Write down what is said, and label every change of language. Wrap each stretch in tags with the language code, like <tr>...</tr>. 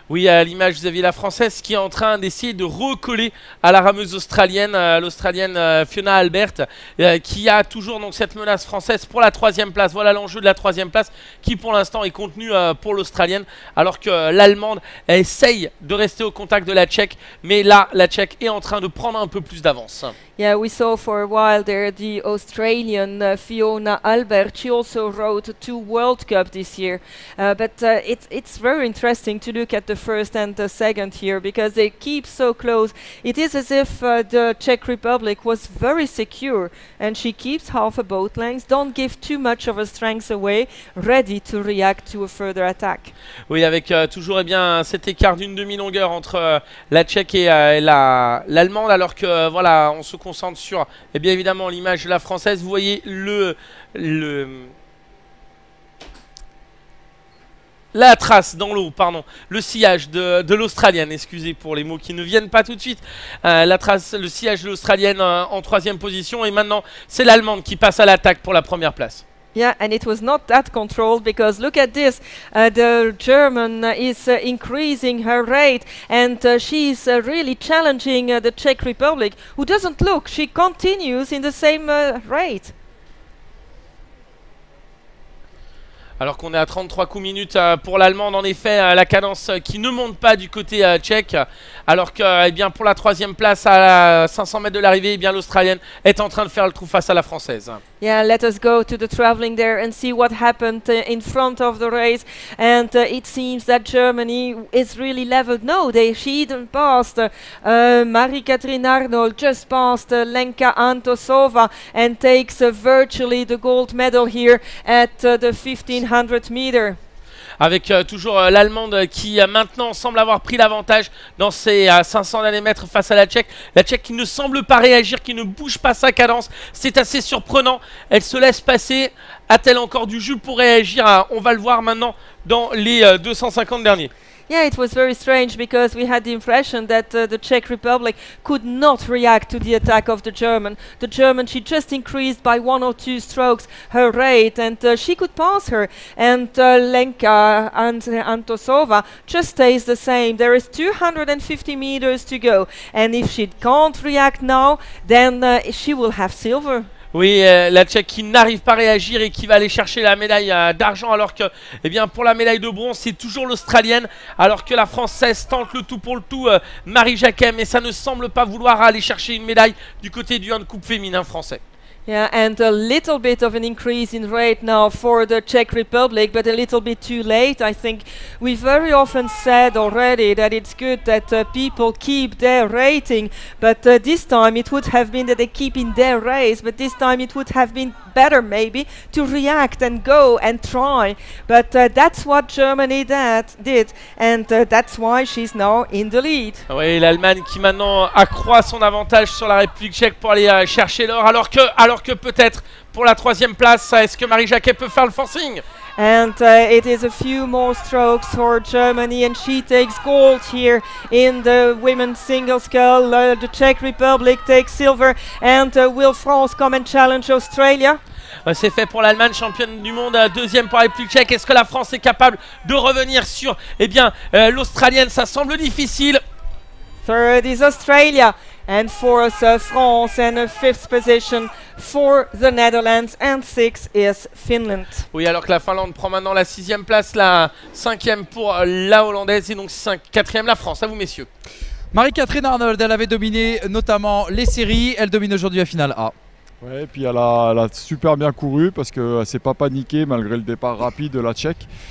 <fr>Oui, à l'image vous avez la française qui est en train d'essayer de recoller à la rameuse australienne, l'australienne Fiona Albert, qui a toujours donc cette menace française pour la troisième place. Voilà l'enjeu de la troisième place qui pour l'instant est contenu pour l'australienne, alors que l'allemande essaye de rester au contact de la tchèque, mais là la tchèque est en train de prendre un peu plus d'avance.</fr> <en>Yeah, we saw for a Wilder, the Australian Fiona Albert. She also wrote two World Cup this year. But it's very interesting to look at the first and the second here because they keep so close. It is as if the Czech Republic was very secure and she keeps half a boat length, don't give too much of her strength away, ready to react to a further attack.</en> <fr>Oui, avec toujours cet écart d'une demi-longueur entre la Tchèque et l'Allemande, alors que voilà, on se concentre sur bien évidemment l'image de la Française. Vous voyez la trace dans l'eau, pardon, le sillage de l'Australienne, excusez pour les mots qui ne viennent pas tout de suite, le sillage de l'Australienne en troisième position, et maintenant c'est l'Allemande qui passe à l'attaque pour la première place.</fr> <en>Yeah, and it was not that controlled because look at this, the German is increasing her rate and she's really challenging the Czech Republic, who doesn't look, she continues in the same rate.</en> <fr>Alors qu'on est à 33 coups minutes pour l'Allemande, en effet, la cadence qui ne monte pas du côté tchèque. Alors que pour la troisième place à 500 mètres de l'arrivée, l'Australienne est en train de faire le trou face à la Française.</fr> <en>Yeah, let us go to the traveling there and see what happened in front of the race. And it seems that Germany is really leveled. No, she even passed Marie-Catherine Arnold, just passed Lenka Antosova and takes virtually the gold medal here at the 1500 meter.</en> <fr>Avec toujours l'Allemande qui maintenant semble avoir pris l'avantage dans ses 500 derniers mètres face à la Tchèque. La Tchèque qui ne semble pas réagir, qui ne bouge pas sa cadence. C'est assez surprenant. Elle se laisse passer. A-t-elle encore du jus pour réagir? On va le voir maintenant dans les 250 derniers.</fr> <en>Yeah, it was very strange because we had the impression that the Czech Republic could not react to the attack of the German. The German, she just increased by one or two strokes her rate and she could pass her. And Lenka and Antosova just stays the same. There is 250 meters to go. And if she can't react now, then she will have silver.</en> <fr>Oui, la Tchèque qui n'arrive pas à réagir et qui va aller chercher la médaille d'argent, alors que pour la médaille de bronze, c'est toujours l'Australienne, alors que la Française tente le tout pour le tout, Marie Jacquem, et ça ne semble pas vouloir aller chercher une médaille du côté du handcoup féminin français.</fr> <en>Yeah, and a little bit of an increase in rate now for the Czech Republic, but a little bit too late, I think. We've very often said already that it's good that people keep their rating, but this time it would have been that they keep in their race, but this time it would have been better maybe to react and go and try. But that's what Germany did, and that's why she's now in the lead.</en> <fr>Oui, l'Allemagne qui maintenant accroît son avantage sur la République tchèque pour aller chercher l'or, alors que peut-être pour la troisième place, est-ce que Marie Jacquet peut faire le forcing?</fr> <en>And it is a few more strokes for Germany and she takes gold here in the women's single scull. The Czech Republic takes silver and will France come and challenge Australia?</en> <fr>C'est fait pour l'Allemagne, championne du monde, deuxième pour la République tchèque. Est-ce que la France est capable de revenir sur l'Australienne? Ça semble difficile.</fr> <en>Third is Australia. And fourth, France, and a fifth position for the Netherlands, and sixth is Finland.</en> <fr>Oui, alors que la Finlande prend maintenant la sixième place, la cinquième pour la Hollandaise, et donc quatrième la France. À vous, messieurs. Marie-Catherine Arnold, elle avait dominé notamment les séries, elle domine aujourd'hui la finale A. Ouais, et puis elle a super bien couru parce qu'elle ne s'est pas paniquée malgré le départ rapide de la Tchèque.</fr>